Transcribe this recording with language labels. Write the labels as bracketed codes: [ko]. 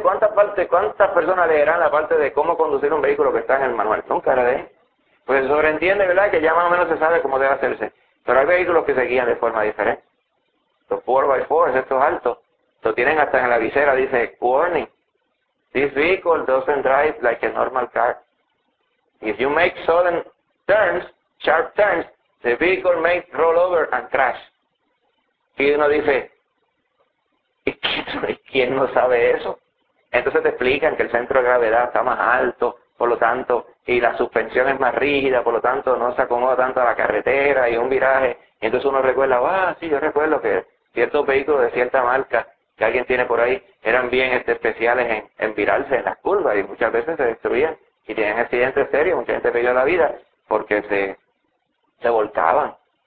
[es] ¿Cuántas personas leerán la parte de cómo conducir un vehículo que está en el manual? Nunca la lee. Pues se sobreentiende, ¿verdad? Que ya más o menos se sabe cómo debe hacerse. Pero hay vehículos que se guían de forma diferente. 4x4, estos altos, lo tienen hasta en la visera, dice warning. [en] This vehicle doesn't drive like a normal car. If you make sudden turns, sharp turns, the vehicle may roll over and crash. [es] Y uno dice, ¿y quién no sabe eso? Entonces te explican que el centro de gravedad está más alto, por lo tanto, y la suspensión es más rígida, por lo tanto, no se acomoda tanto a la carretera y un viraje. Y entonces uno recuerda, ah, sí, yo recuerdo que ciertos vehículos de cierta marca que alguien tiene por ahí eran bien especiales en virarse en las curvas y muchas veces se destruían y tenían accidentes serios, mucha gente perdió la vida porque se volcaban.